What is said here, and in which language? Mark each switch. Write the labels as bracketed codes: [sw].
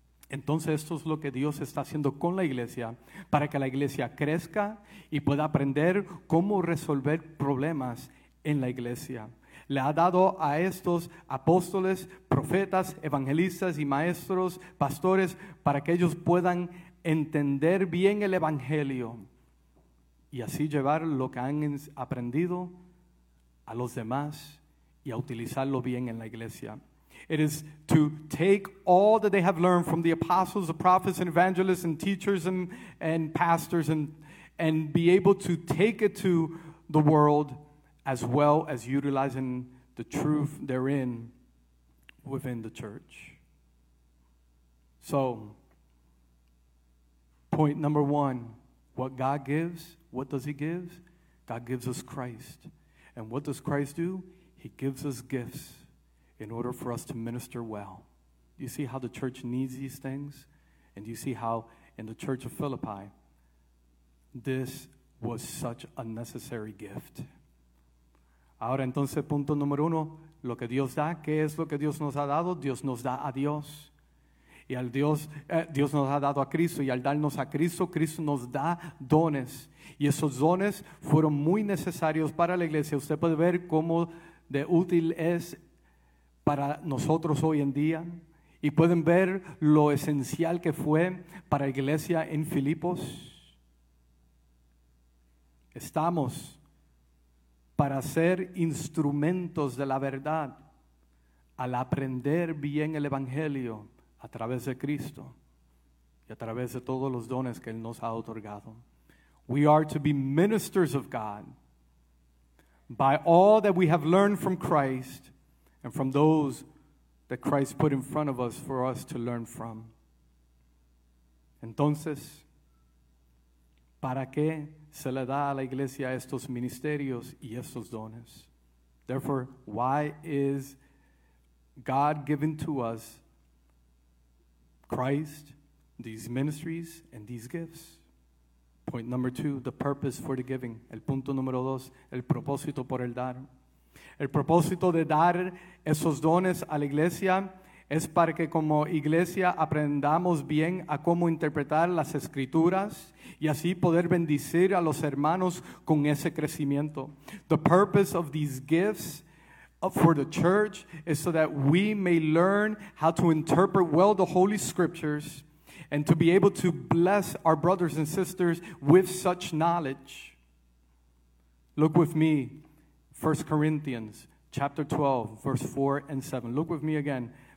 [es] Entonces, esto es lo que Dios está haciendo con la iglesia para que la iglesia crezca y pueda aprender cómo resolver problemas en la iglesia. Le ha dado a estos apóstoles, profetas, evangelistas y maestros, pastores, para que ellos puedan entender bien el evangelio y así llevar lo que han aprendido a los demás y a utilizarlo bien en la iglesia. [en] It is to take all that they have learned from the apostles, the prophets, and evangelists, and teachers, and pastors, and be able to take it to the world as well as utilizing the truth therein within the church. So, point number one, what God gives, what does he give? God gives us Christ. And what does Christ do? He gives us gifts in order for us to minister well. Do you see how the church needs these things? And do you see how in the church of Philippi, this was such a necessary gift? [es] Ahora entonces, punto número uno, lo que Dios da, ¿qué es lo que Dios nos ha dado? Dios nos da a Dios. Y al Dios, Dios nos ha dado a Cristo, y al darnos a Cristo, Cristo nos da dones. Y esos dones fueron muy necesarios para la iglesia. Usted puede ver cómo de útil es para nosotros hoy en día. Y pueden ver lo esencial que fue para la iglesia en Filipos. Estamos para ser instrumentos de la verdad, al aprender bien el evangelio a través de Cristo y a través de todos los dones que Él nos ha otorgado. [en] We are to be ministers of God by all that we have learned from Christ and from those that Christ put in front of us for us to learn from. [es] Entonces, ¿para qué se le da a la iglesia estos ministerios y estos dones? [en] Therefore, why is God giving to us Christ, these ministries, and these gifts? Point number two, the purpose for the giving. [es] El punto número dos, el propósito por el dar. El propósito de dar esos dones a la iglesia es para que como iglesia aprendamos bien a cómo interpretar las escrituras y así poder bendecir a los hermanos con ese crecimiento. [en] The purpose of these gifts for the church is so that we may learn how to interpret well the Holy Scriptures and to be able to bless our brothers and sisters with such knowledge. Look with me, 1 Corinthians chapter 12, verse 4 and 7. Look with me again.